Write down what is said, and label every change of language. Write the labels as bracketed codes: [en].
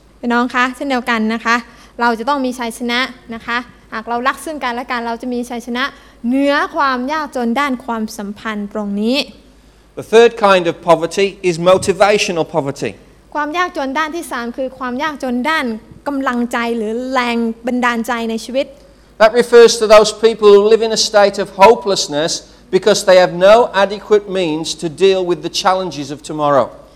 [th] พี่น้องคะเช่นเดียวกันนะคะเราจะต้องมีชัยชนะนะคะหากเรารักซึ่งกันและกันเราจะมีชัยชนะเหนือความยากจนด้านความสัมพันธ์ตรงนี้ [en] The third kind of poverty is motivational poverty [th] ความยากจนด้านที่3คือความยากจนด้านกำลังใจหรือแรงบันดาลใจในชีวิต [en] That refers to those people who live in a state of hopelessness because they have no adequate means to deal with the challenges of tomorrow